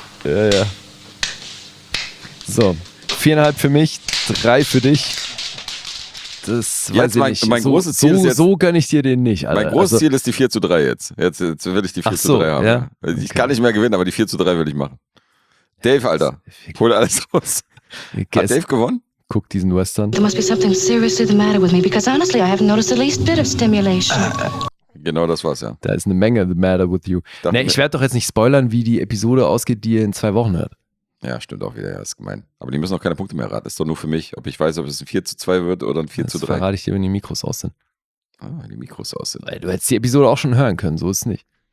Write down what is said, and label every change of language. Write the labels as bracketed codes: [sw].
[de] Ja, ja. So, 4,5 für mich, 3 für dich. Das jetzt mein großes Ziel so, ist jetzt, so gönne ich dir den nicht, Alter. Mein großes Ziel ist die 4-3 jetzt. Jetzt will ich die 4-3 haben. Ja? Okay. Ich kann nicht mehr gewinnen, aber die 4-3 will ich machen. Dave, Alter, hol alles raus. Hat Dave gewonnen? Guck diesen Western. [en] There must be something seriously the matter with me, because honestly, I haven't noticed the least bit of stimulation. [de] genau das war's, ja. Da ist eine Menge [en] the matter with you. [de] Nee, ich werde doch jetzt nicht spoilern, wie die Episode ausgeht, die ihr in 2 Wochen hört. Ja, stimmt auch wieder, ja, ist gemein. Aber die müssen auch keine Punkte mehr erraten. Das ist doch nur für mich, ob ich weiß, ob es ein 4-2 wird oder ein 4-3. Das verrate ich dir, wenn die Mikros aus sind. Ah, wenn die Mikros aus sind. Weil du hättest die Episode auch schon hören können, so ist es nicht.